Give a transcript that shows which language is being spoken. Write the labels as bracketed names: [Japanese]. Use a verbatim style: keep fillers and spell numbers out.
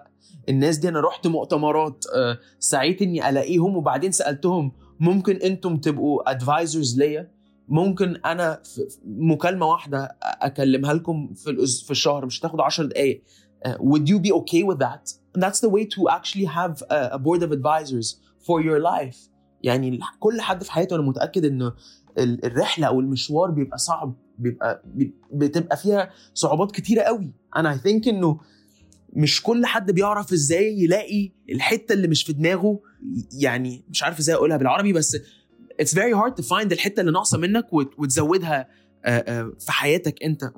[Arabic] لا, الناس دي أنا رحت مؤتمرات سعيت أني ألاقيهم وبعدين سألتهم ممكن أنتم تبقوا advisors ليا, ممكن أنا في مكالمة واحدة أكلمها لكم في الشهر مش تاخد عشر دقايق, [English] would you be okay with that? That's the way to actually have a board of advisors for your life. [Arabic] يعني كل حد في حياته أنا متأكد إنه الرحلة أو المشوار بيبقى صعب, بيبقى بتبقى فيها صعوبات كتيرة قوي. أنا [English] I think [Arabic] إنه مش كل حد بيعرف إزاي يلاقي الحتة اللي مش في دماغه, يعني مش عارف إزاي أقولها بالعربي بس [English] it's very hard to find [Arabic] الحتة اللي ناقصة منك وتزودها في حياتك أنت.